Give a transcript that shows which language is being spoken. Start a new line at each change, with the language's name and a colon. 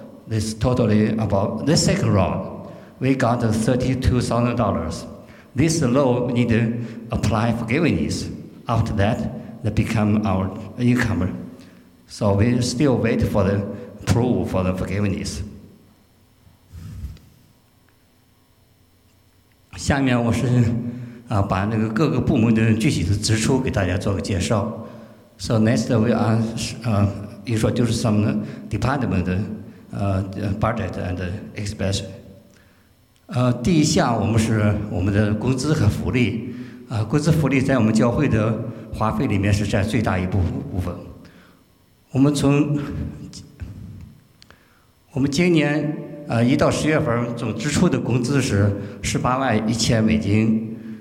English: This totally about the second round. We got $32,000. This loan need to apply forgiveness. After that, that become our income. So we still wait for the approval for the forgiveness.
Chinese: 下面我是把那个各个部门的具体的支出给大家做个介绍。
English: So next we are introduce some department budget and expense.
Chinese: 第一项我们是我们的工资和福利。工资福利在我们教会的花费里面是占最大一部分。我们今年1到10月份总支出的工资是18万1000美金。